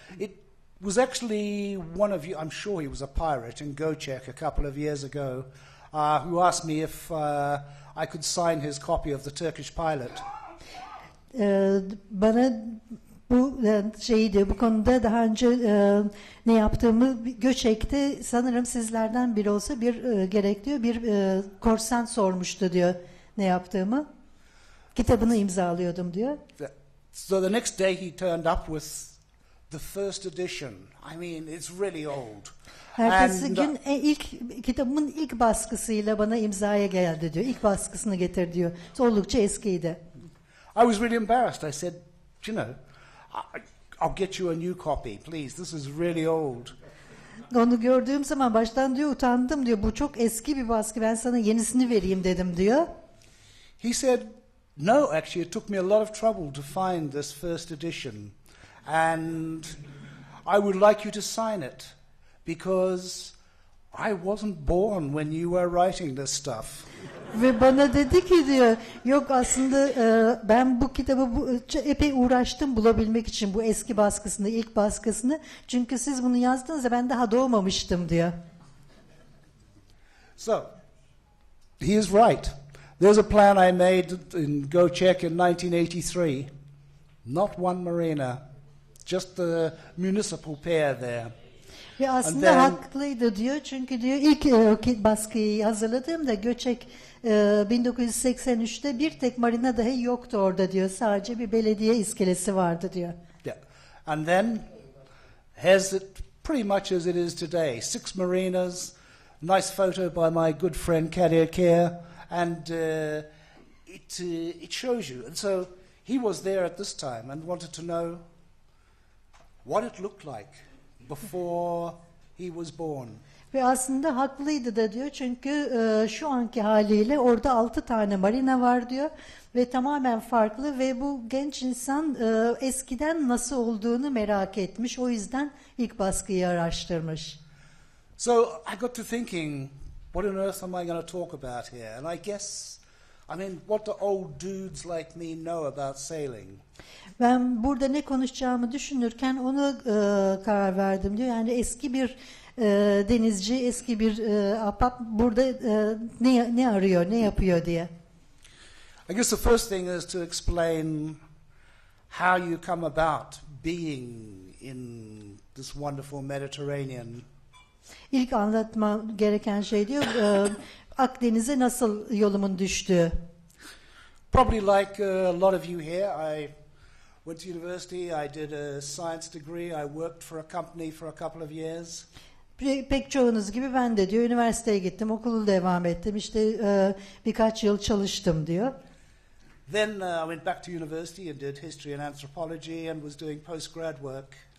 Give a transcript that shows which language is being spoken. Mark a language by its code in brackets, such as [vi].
[en] It was actually one of you, I'm sure he was a pirate in Gocek a couple of years ago, who asked me if I could sign his copy of the Turkish Pilot. [tr] Bana bu şeyi diyor, bu konuda daha önce ne yaptığımı Göçek'te sanırım sizlerden biri olsa bir gerek diyor, bir korsan sormuştu diyor ne yaptığımı, kitabını imzalıyordum diyor. [en] So the next day he turned up with the first edition. I mean, it's really old. [tr] Ertesi gün ilk kitabımın ilk baskısıyla bana imzaya geldi diyor, ilk baskısını getir diyor. So, oldukça eskiydi. [en] I was really embarrassed. I said, you know, I'll get you a new copy, please. This is really old. [tr] Onu gördüğüm zaman baştan diyor utandım diyor. Bu çok eski bir baskı. Ben sana yenisini vereyim dedim diyor. [en] He said, no, actually, it took me a lot of trouble to find this first edition. And I would like you to sign it because I wasn't born when you were writing this stuff. [tr] Ve bana dedi ki diyor, yok aslında ben bu kitabı epey uğraştım bulabilmek için bu eski baskısını, ilk baskısını. Çünkü siz bunu yazdığınızda ben daha doğmamıştım diyor. [en] So, he is right. There's a plan I made in Gocek in 1983. Not one marina, just the municipal pier there. [tr] Ve aslında [en] then, [tr] haklıydı diyor, çünkü diyor ilk baskıyı hazırladığımda Göçek 1983'te bir tek marina dahi yoktu orada diyor, sadece bir belediye iskelesi vardı diyor. [en] Yeah. And then has it pretty much as it is today, six marinas, nice photo by my good friend Kadir Kerr, and it shows you. And so he was there at this time and wanted to know what it looked like before he was born. [tr] Ve aslında haklıydı da diyor, çünkü şu anki haliyle orada 6 tane marina var diyor ve tamamen farklı ve bu genç insan eskiden nasıl olduğunu merak etmiş, o yüzden ilk baskıyı araştırmış. [en] So I got to thinking, what on earth am I going to talk about here? And I guess, I mean, what do old dudes like me know about sailing? [tr] Ben burada ne konuşacağımı düşünürken ona karar verdim diyor. Yani eski bir denizci, eski bir ahbap burada ne arıyor, ne yapıyor diye. [en] I guess the first thing is to explain how you come about being in this wonderful Mediterranean. [tr] İlk anlatma gereken şey diyor, Akdeniz'e nasıl yolumun düştüğü. [en] Probably like a lot of you here, I went to university, I did a science degree, I worked for a company for a couple of years. [tr] Pek çoğunuz gibi ben de diyor üniversiteye gittim, okulu devam ettim, işte birkaç yıl çalıştım diyor. [en] Then I went back to university and did history and anthropology and was doing postgrad work.